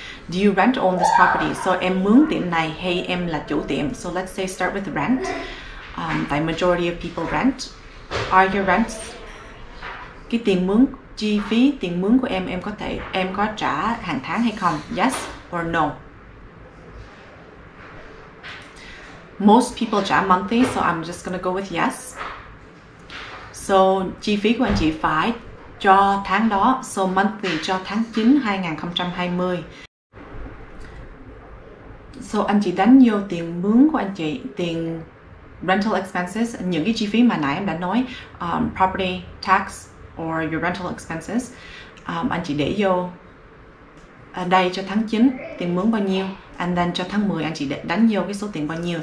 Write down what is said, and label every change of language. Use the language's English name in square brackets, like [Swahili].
[English] Do you rent on this property? [Vietnamese] So em mướn tiệm này hay em là chủ tiệm? [English] So let's say start with rent. Tại majority of people rent. Are your rents? [Vietnamese] Cái tiền mướn, chi phí tiền mướn của em có trả hàng tháng hay không? [English] Yes or no? Most people trả monthly, so I'm just gonna go with yes. [Vietnamese] So chi phí của anh chị phải cho tháng đó, so monthly cho tháng 9 2020. So anh chị đánh vô tiền mướn của anh chị, tiền rental expenses, những cái chi phí mà nãy em đã nói, property tax or your rental expenses, anh chị để vô đây cho tháng 9 tiền mướn bao nhiêu, [English] and then [Vietnamese] cho tháng 10 anh chị đánh vô cái số tiền bao nhiêu.